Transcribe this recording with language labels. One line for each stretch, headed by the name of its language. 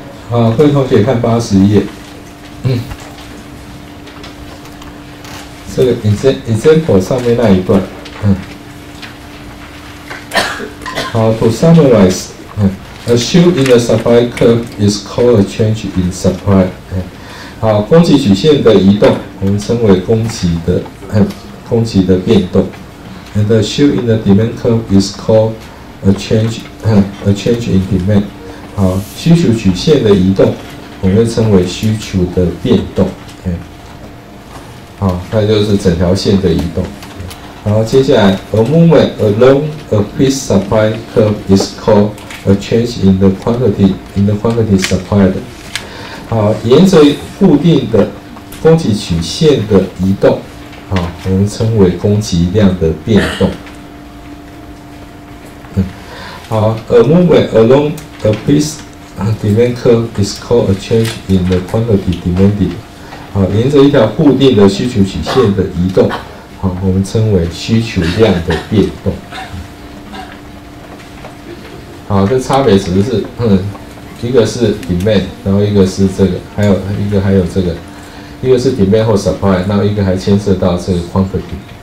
Chinese: 好，各位同学看81页，这个 example 上面那一段，好 ，
English: to summarize。 A shift in the supply curve is called a change in supply。
Chinese: 好，供给曲线的移动，我们称为供给的变动。
English: And a shift in the demand curve is called a change in demand。
Chinese: 好，需求曲线的移动，我们称为需求的变动。好，那就是整条线的移动。好，接下来
English: ，a movement along a fixed supply curve is called a change in the quantity supplied。
Chinese: 好，沿着固定的供给曲线的移动，好，我们称为供给量的变动。
English: 好， a movement along a fixed demand curve is called a change in the quantity demanded。
Chinese: 好，沿着一条固定的需求曲线的移动，好，我们称为需求量的变动。好，这差别只是一个是 demand， 然后一个是这个，还有这个，一个是 demand 或 supply， 然后一个还牵涉到这个 quantity。